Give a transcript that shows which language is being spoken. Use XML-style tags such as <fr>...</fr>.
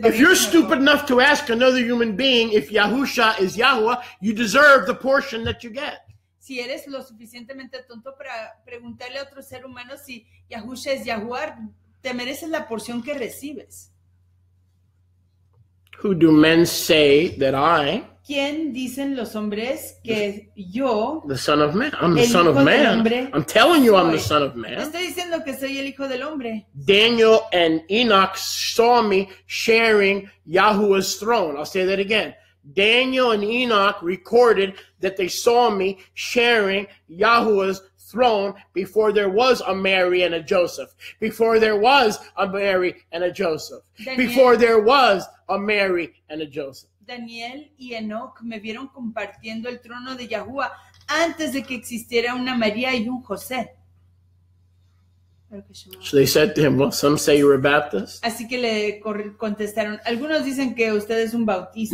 <en>Baryshnikov. If you're stupid enough to ask another human being if Yahusha is Yahuwah, you deserve the portion that you get.</en> <es>Si eres lo suficientemente tonto para preguntarle a otro ser humano si Yahusha es Yahuwah, te mereces la porción que recibes.</es> <en>Who do men say that I...</en> <es>¿Quién dicen los hombres que yo...</es> <en>The son of man. I'm the son of man. I'm telling you I'm the son of man.</en> <es>Estoy diciendo que soy el hijo del hombre.</es> <en>Daniel and Enoch saw me sharing Yahuwah's throne. I'll say that again. Daniel and Enoch recorded that they saw me sharing Yahuwah's throne before there was a Mary and a Joseph. Before there was a Mary and a Joseph. Daniel. Before there was a Mary and a Joseph.</en> <es>Daniel y Enoch me vieron compartiendo el trono de Yahuwah antes de que existiera una María y un José.</es> <en>So they said to him, well, some say you're a Baptist.</en> <es>Así que le contestaron, algunos dicen que usted es un bautista.</es>